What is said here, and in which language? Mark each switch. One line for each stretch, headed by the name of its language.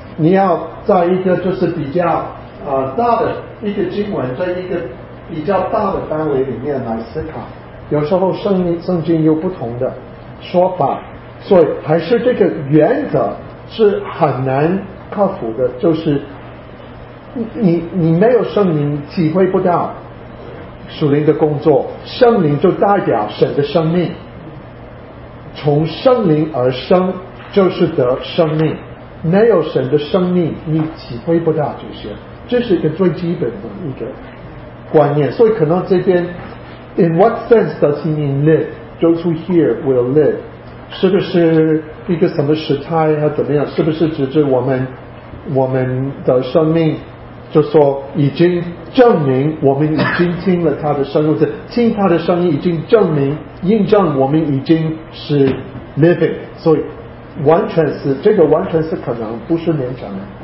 Chinese: 你要在一个就是比较大的一个经文，在一个比较大的单位里面来思考，有时候圣经有不同的说法，所以还是这个原则是很难克服的，就是你没有圣灵体会不到属灵的工作，圣灵就代表神的生命，从圣灵而生就是得生命，没有神的生命你体会不到这些，这是一个最基本的一个观念。所以可能这边
English: In what sense does he mean live? Those who hear will live，
Chinese: 是不是一个什么时态还怎么样，是不是指着我们的生命，就说已经证明我们已经听了他的声音，听他的声音已经证明印证我们已经是 living， 所以完全是这个，完全是可能不是勉强的。